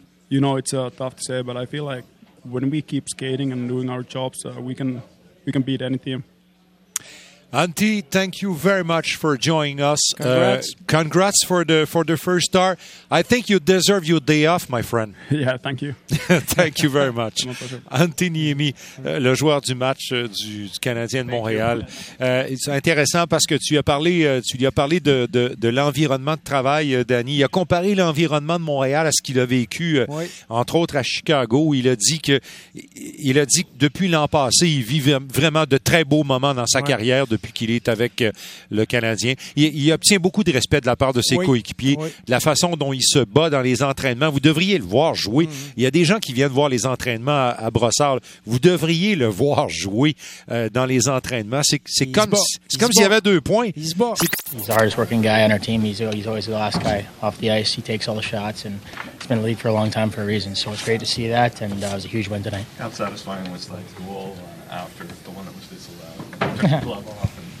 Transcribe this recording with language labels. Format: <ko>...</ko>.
<en>You know, it's tough to say, but I feel like when we keep skating and doing our jobs, we can beat any team. Antti, thank you very much for joining us. Congrats. Congrats for the first star. I think you deserve your day off, my friend. Yeah, thank you. Thank you very much.</en> <fr>Antti Niemi, le joueur du match du Canadien de Montréal. C'est intéressant parce que tu lui as parlé de l'environnement de travail, Danny. Il a comparé l'environnement de Montréal à ce qu'il a vécu, entre autres, à Chicago. Il a dit que depuis l'an passé, il vit vraiment de très beaux moments dans sa carrière depuis qu'il est avec le Canadien. Il obtient beaucoup de respect de la part de ses coéquipiers, de la façon dont il se bat dans les entraînements. Vous devriez le voir jouer. Mm-hmm. Il y a des gens qui viennent voir les entraînements à Brossard. Vous devriez le voir jouer dans les entraînements. C'est comme s'il y avait deux points. Il se bat.</fr> <en>He's the hardest working guy on our team. He's always the last guy off the ice. He takes all the shots, and he's been in the league for a long time for a reason. So it's great to see that, and that was a huge win tonight. How satisfying was like the goal after the one that was disallowed? Off</en>